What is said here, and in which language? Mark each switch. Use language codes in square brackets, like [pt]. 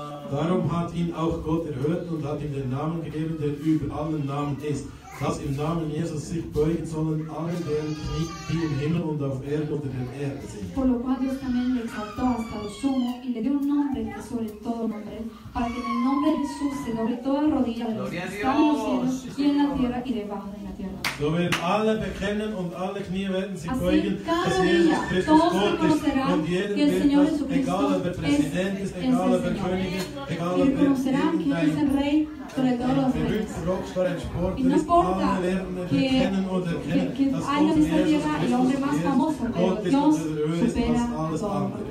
[de] Darum hat ihn auch Gott erhört und hat ihm den Namen gegeben, der über allen Namen ist. Dass im Namen Jesus sich beugen sollen alle deren Knie, die im Himmel und auf Erden unter der Erde sind. [es] Por lo cual Dios también le exaltó hasta lo sumo y le dio un nombre que es sobre todo nombre, para que en el nombre de Jesús se doble toda rodilla de los que están en los cielos y en la tierra y debajo de la tierra. [de] So werden alle bekennen und alle Knie werden sich beugen, dass Jesus Christus Gott ist. Und jeder wird das, egal ob er Präsident ist, egal ob er König ist, egal ob er irgendein berühmter Rockstar, ein Sportler ist, alle werden erkennen und erkennen, dass Gott Jesus Christus ist, Gott ist und der Höhe ist als alles andere.